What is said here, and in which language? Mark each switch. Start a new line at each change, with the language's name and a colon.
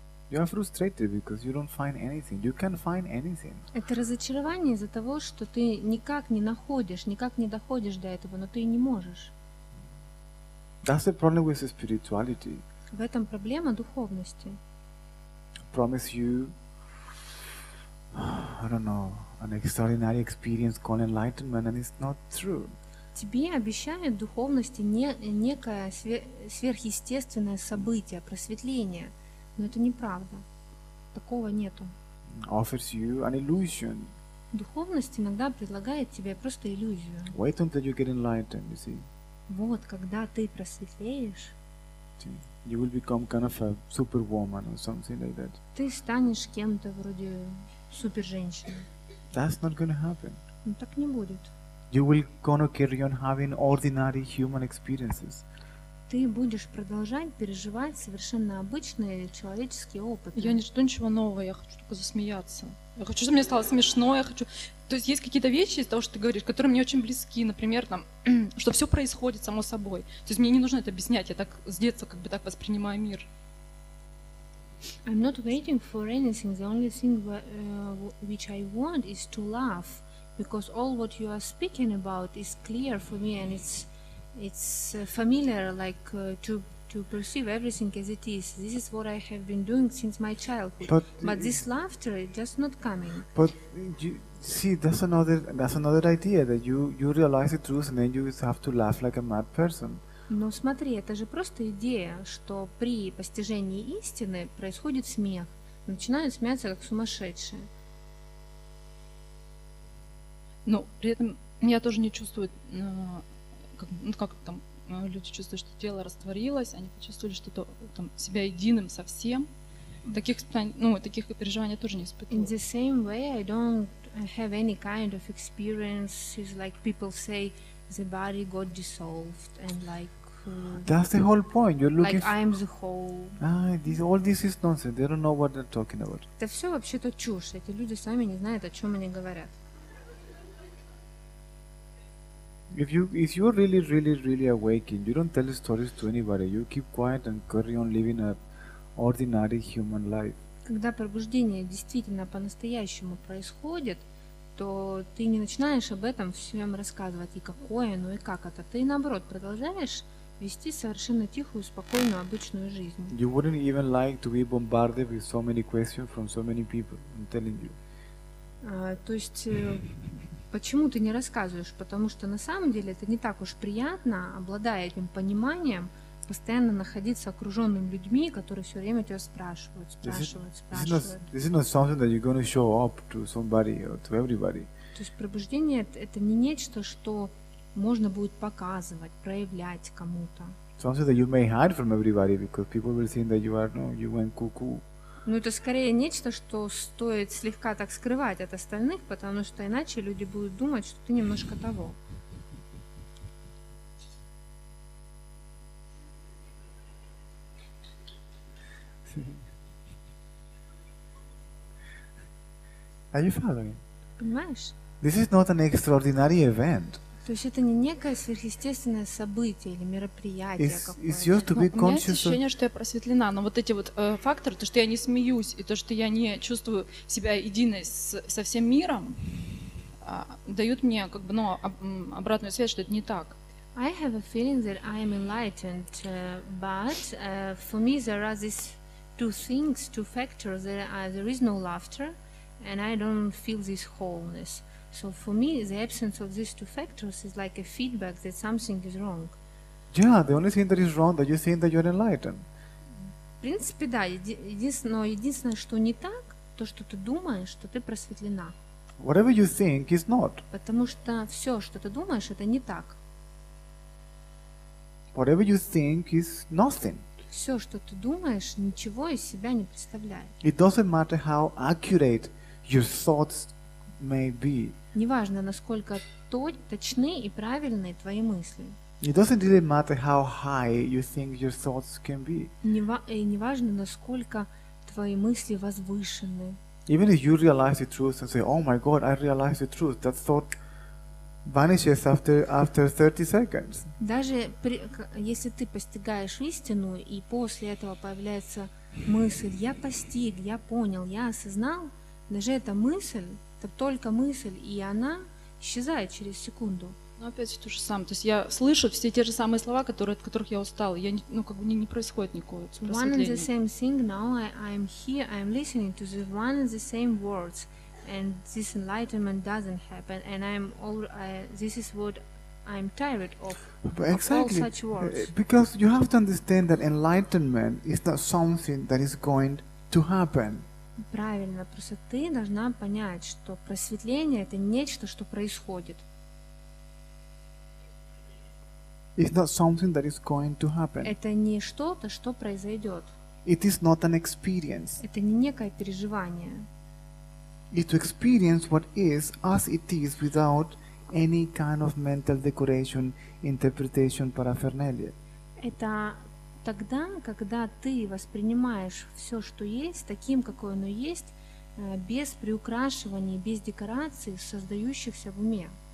English: You are frustrated because you don't find anything. You can find anything.
Russian: Это разочарование из-за того, что ты никак не находишь, никак не доходишь до этого, но ты не можешь.
English: That's the problem with the spirituality.
Russian: В этом проблема духовности.
English: Promise you, I don't know, an extraordinary experience called enlightenment, and it's not true.
Russian: Тебе обещают духовности некое сверхъестественное событие, просветление. Но это неправда. Такого нету.
English: Offers you an illusion.
Russian: Духовность иногда предлагает тебе просто иллюзию.
English: Wait until you get enlightened, you see.
Russian: Вот, когда ты просветлеешь,
English: you will become kind of a superwoman or something like that.
Russian: Ты станешь кем-то вроде супер-женщины.
English: That's not gonna happen.
Russian: Но так не будет.
English: You will gonna carry on having ordinary human experiences.
Russian: Ты будешь продолжать переживать совершенно обычные человеческие опыты. Я не жду ничего нового, я хочу только засмеяться. Я хочу, чтобы мне стало смешно, я хочу... То есть какие-то вещи из того, что ты говоришь, которые мне очень близки, например, там, что все происходит само собой. То есть мне не нужно это объяснять, я так с детства как бы так воспринимаю мир.
English: I'm not waiting for anything. The only thing which I want is to laugh, because all what you are speaking about is clear for me, and it's familiar, like to perceive everything as it is. This is what I have been doing since my childhood. But this laughter is just not coming. But you see, that's another idea, that you realize the truth and then you have to laugh like a mad person.
Russian: Но смотри, это же просто идея, что при постижении истины происходит смех, начинают смеяться как сумасшедшие. Но при этом я тоже не чувствую. Люди чувствуют, что тело растворилось, они почувствовали что-то там себя единым совсем. таких, ну, таких переживаний тоже не испытывала.
English: In the same way, I don't have any kind of experiences like people say the body got dissolved and like. That's the whole point. You're looking. Like I'm the whole. All this is nonsense. They don't know what they're talking about.
Russian: Это все вообще-то чушь. Эти люди сами не знают, о чем они говорят.
English: If you really, really, really awakened, you don't tell stories to anybody. You keep quiet and carry on living an ordinary human life.
Russian: Когда пробуждение действительно по-настоящему происходит, то ты не начинаешь об этом всем рассказывать и какое, ну и как это. Ты наоборот продолжаешь вести совершенно тихую, спокойную, обычную жизнь.
English: You wouldn't even like to be bombarded with so many questions from so many people. I'm telling you.
Russian: То есть почему ты не рассказываешь? Потому что на самом деле это не так уж приятно, обладая этим пониманием, постоянно находиться окруженным людьми, которые все время тебя спрашивают, спрашивают. То есть пробуждение – это не нечто, что можно будет показывать, проявлять кому-то.
English: Something that you may hide from everybody, because people will think that you are, no, you went cuckoo.
Russian: Ну, это скорее нечто, что стоит слегка так скрывать от остальных, потому что иначе люди будут думать, что ты немножко того.
English: Are you following?
Russian: Понимаешь?
English: This is not an extraordinary event.
Russian: То есть это не некое сверхъестественное событие или мероприятие какое-то. У меня есть ощущение, что я просветлена, но вот эти вот факторы, то, что я не смеюсь, и то, что я не чувствую себя единой со всем миром, дают мне как бы, ну, обратную связь, что это не так.
English: I have a feeling that I am enlightened, but for me there are these two things, two factors, there is no laughter, and I don't feel this wholeness. So for me, the absence of these two factors is like a feedback that something is wrong. Yeah, the only thing that is wrong that you think that you're enlightened.
Russian: В принципе, да. Единственное, что не так, то, что ты думаешь, что ты просветлена.
English: Whatever you think is not.
Russian: Потому что все, что ты думаешь, это не так.
English: Whatever you think is nothing.
Russian: Все, что ты думаешь, ничего из себя не представляет.
English: It doesn't matter how accurate your thoughts may be.
Russian: Неважно, насколько точны и правильные твои мысли.
English: It doesn't really matter how high you think your thoughts can be.
Russian: Неважно, насколько твои мысли возвышены.
English: Even if you realize the truth and say, "Oh my God, I realize the truth," that thought vanishes after 30 seconds.
Russian: Даже если ты постигаешь истину и после этого появляется мысль, я постиг, я понял, я осознал, даже эта мысль. Это только мысль, и она исчезает через секунду. Но опять то же самое. То есть я слышу все те же самые слова, которые, от которых я устала. Я, ну, как бы не происходит никакого просветления.
English: One and the same thing. Now I'm here. I'm listening to the one and the same words, and this enlightenment doesn't happen. And I'm all. This is what I'm tired of. Exactly. Of all such words. Because you have to understand that enlightenment is not something that is going to happen.
Russian: Правильно, просто ты должна понять, что просветление – это нечто, что происходит.
English: It's not something that is going to happen.
Russian: Это не что-то, что произойдет.
English: It is not an experience.
Russian: Это не некое переживание.
English: It's to experience what is as it is without any kind of mental decoration, interpretation, paraphernalia.
Russian: Это тогда, когда ты воспринимаешь все, что есть, таким, какое оно есть, без приукрашивания, без декораций, создающихся в уме.